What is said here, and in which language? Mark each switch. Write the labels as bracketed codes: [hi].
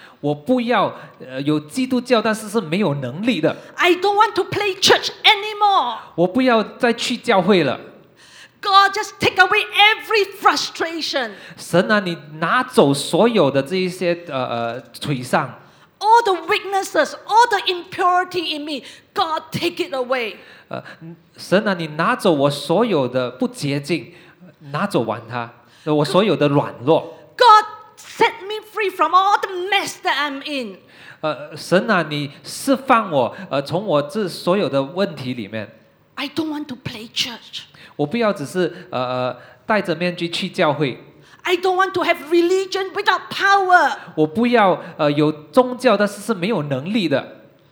[zh] 我不要 有基督教，但是是没有能力的。 [en] I don't want to play church anymore. [zh] 我不要再去教会了。 [en] God, just take away every frustration. [zh] 神啊，你拿走所有的这一些 沮丧。 [en] All the weaknesses, all the impurity in me, God, take it away. [zh] 神啊，你拿走我所有的不洁净，拿走完它，我所有的软弱。 [en] God, set me free from all the mess that I'm in. [zh] 神啊，你释放我，从我这所有的问题里面。 [en] I don't want to play church. [zh] 我不要只是戴着面具去教会。 [en] I don't want to have religion without power. [zh] 我不要有宗教，但是是没有能力的。